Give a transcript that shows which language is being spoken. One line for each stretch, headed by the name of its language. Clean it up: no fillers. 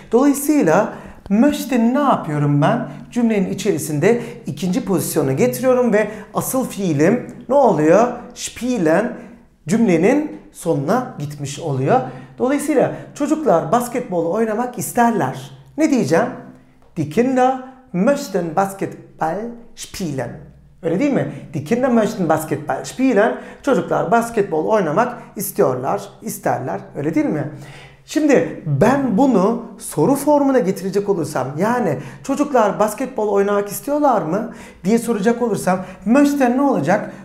Turkish: Dolayısıyla möchten ne yapıyorum ben? Cümlenin içerisinde ikinci pozisyonu getiriyorum ve asıl fiilim ne oluyor? Spielen cümlenin sonuna gitmiş oluyor. Dolayısıyla çocuklar basketbol oynamak isterler. Ne diyeceğim?
German: Die Kinder möchten Basketball spielen.
Turkish: Öyle değil mi?
German: Die Kinder möchten Basketball spielen.
Turkish: Çocuklar basketbol oynamak istiyorlar, isterler. Öyle değil mi? Şimdi ben bunu soru formuna getirecek olursam, yani çocuklar basketbol oynamak istiyorlar mı diye soracak olursam, möchten ne olacak?